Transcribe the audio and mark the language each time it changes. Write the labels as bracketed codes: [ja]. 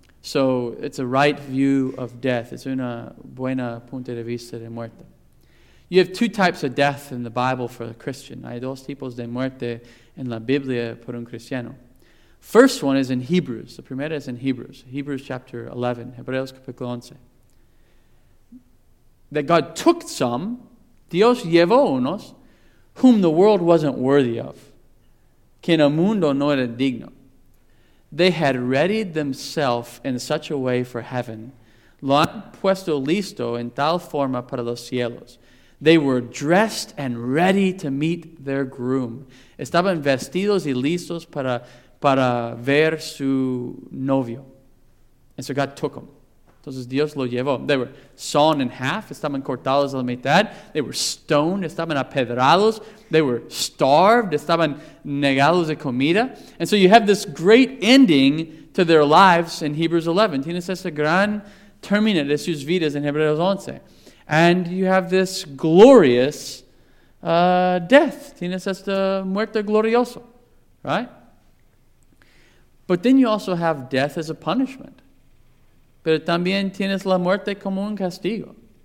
[en] So it's a right view of death. [es] Es una buena punto de vista de muerte. [en] You have two types of death in the Bible for a Christian. [es] Hay dos tipos de muerte en la Biblia por un cristiano. [en] First one is in Hebrews. The primera is in Hebrews. Hebrews chapter 11. [es] Hebreos capítulo 11. [en] That God took some, [es] Dios llevó unos, [en] whom the world wasn't worthy of. [es] Que en el mundo no era digno. [en] They had readied themselves in such a way for heaven. [es] Lo han puesto listo en tal forma para los cielos. [en] They were dressed and ready to meet their groom. [es] Estaban vestidos y listos para ver su novio. [en] And so God took them. [es] Entonces Dios lo llevó. [en] They were sawn in half. [es] Estaban cortados a la mitad. [en] They were stoned. [es] Estaban apedrados. [en] They were starved. [es] Estaban negados de comida. [en] And so you have this great ending to their lives in Hebrews 11. [es] Tienes ese gran término de sus vidas en Hebreos 11. [en] And you have this glorious death. [es] Tienes esta muerte glorioso, [en] right? But then you also have death as a punishment. [es] Pero también tienes la muerte como un castigo.